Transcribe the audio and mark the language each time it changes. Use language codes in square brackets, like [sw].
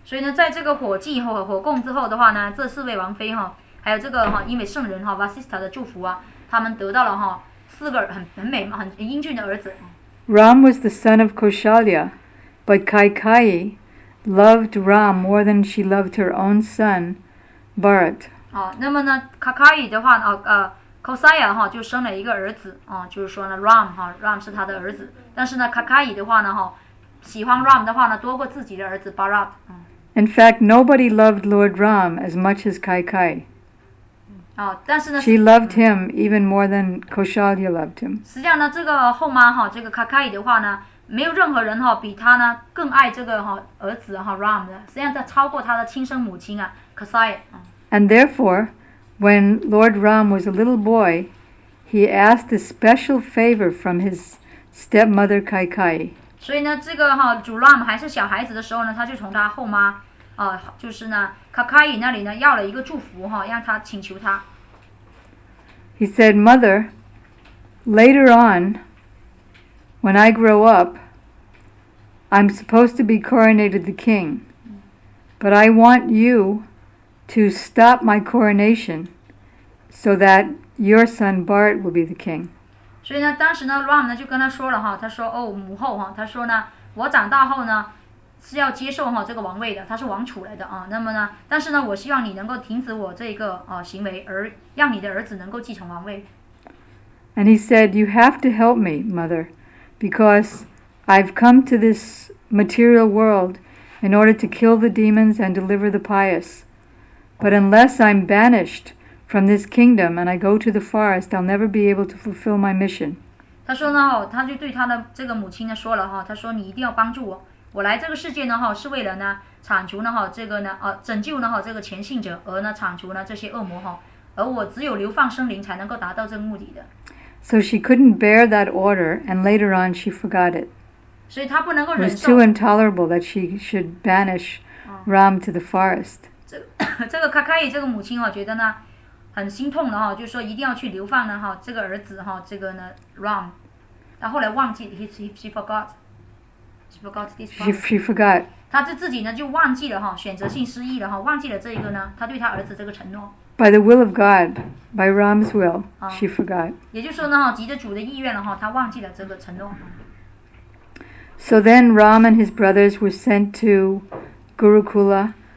[zh] 所以呢，在这个火祭和火供之后的话呢，这四位王妃哈，还有这个哈，因为圣人哈 Vasistha 的祝福啊，他们得到了哈。 [en] Ram was the son of Kaushalya, but Kaikai loved Ram more than she loved her own son, Bharat. [zh] Kaikai 的话 Kosaya 哈就生了一个儿子啊，就是说呢 Ram 哈 ，Ram 是他的儿子。但是呢 ，Kakai 的话呢哈，喜欢 Ram 的话呢，多过自己的儿子 Bharat。 [en] In fact, nobody loved Lord Ram as much as Kaikai. [zh] 啊，但是呢 [en] ，She loved him even more than Kausalya loved him. [zh] 实际上呢，这个后妈哈，这个 Kakai 的话呢，没有任何人哈比他呢更爱这个哈儿子哈 Ram 的，实际上他超过他的亲生母亲啊 Kausalya。 [en] And therefore. When Lord Ram was a little boy, he asked a special favor from his stepmother Kaikai. [zh] 所以呢，这个哈主 Ram 还是小孩子的时候呢，他就从他后妈，就是呢 Kaikai 那里呢要了一个祝福哈，让他请求他。 [en] He said, "Mother, later on, when I grow up, I'm supposed to be coronated the king, but I want you." To stop my coronation, so that your son Bharat will be the king. [zh] 所以呢，当时呢 ，Ram 呢就跟他说了哈，他说哦，母后哈，他说呢，我长大后呢是要接受哈这个王位的，他是王储来的啊。那么呢，但是呢，我希望你能够停止我这个行为，而让你的儿子能够继承王位。 [en] And he said, "You have to help me, mother, because I've come to this material world in order to kill the demons and deliver the pious." But unless I'm banished from this kingdom and I go to the forest, I'll never be able to fulfill my mission. [zh] 他说呢，他就对他的这个母亲呢说了哈，他说你一定要帮助我，我来这个世界呢哈，是为了呢铲除呢哈这个呢拯救呢哈这个虔信者，而呢铲除呢这些恶魔哈，而我只有流放生灵才能够达到这个目的的。 [en] So she couldn't bear that order, and later on she forgot it. [zh] 所以她不能够忍受。 [en] It was too intolerable that she should banish Ram to the forest. [zh] 这个卡卡伊这个母亲哈、啊、觉得呢很心痛的哈、啊，就是说一定要去流放呢哈、啊，这个儿子哈、啊，这个呢 Ram， 他后来忘记 [en] she forgot， [zh] 他就自己呢就忘记了哈、啊，选择性失忆了哈、啊，忘记了这一个呢，他对他儿子这个承诺。 [en] By the will of God, by Ram's will,、啊、she forgot. [zh] 也就是说呢哈，急着主的意愿了哈、啊，他忘记了这个承诺。 [en] So then Ram and his brothers were sent to Gurukula.